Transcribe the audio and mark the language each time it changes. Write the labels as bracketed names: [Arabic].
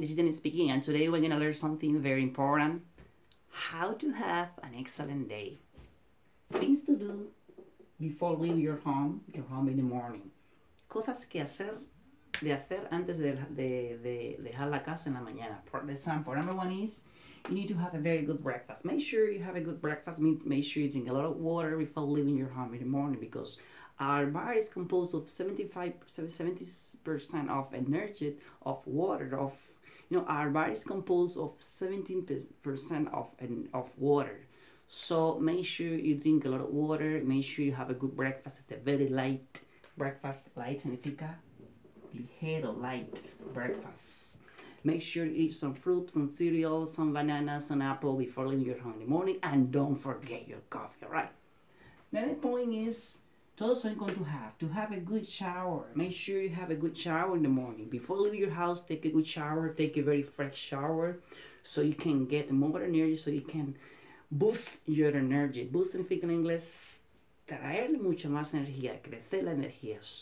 [English] This is Dennis speaking, and today we're going to learn something very important: how to have an excellent day. Things to do before leaving your home in the morning. [Spanish] Cosas que hacer de hacer antes de dejar la casa en la mañana. [English] For example, number one is you need to have a very good breakfast. Make sure you have a good breakfast. Make sure you drink a lot of water before leaving your home in the morning, because our body is composed of 70% of energy of water. Of you know, our body is composed of 17% of water. So make sure you drink a lot of water. Make sure you have a good breakfast. It's a very light breakfast. Light significa ligero, light breakfast. Make sure you eat some fruits, some cereals, some bananas, some apple before leaving your home in the morning. And don't forget your coffee. All right. Now the point is, also you're going to have a good shower. Make sure you have a good shower in the morning. Before leaving your house, take a good shower, take a very fresh shower so you can get more energy, so you can boost your energy. [Spanish] Boost significa en inglés traer mucha más energía, crecer la energía.